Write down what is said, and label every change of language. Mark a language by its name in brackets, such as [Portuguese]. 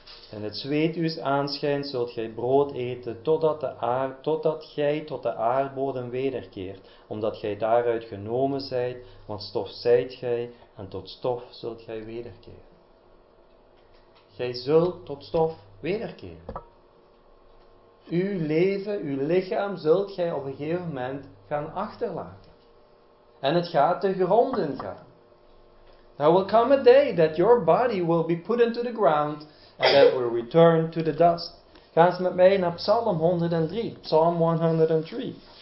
[Dutch] In het zweet uws aanschijn zult gij brood eten, totdat gij tot de aardbodem wederkeert, omdat gij daaruit genomen zijt, want stof zijt gij, en tot stof zult gij wederkeren. Gij zult tot stof wederkeren. Uw leven, uw lichaam zult gij op een gegeven moment gaan achterlaten. En het gaat de gronden gaan. [English] There will come a day that your body will be put into the ground and that will return to the dust. [Dutch] Ga eens met mij naar Psalm 103. Psalm 103.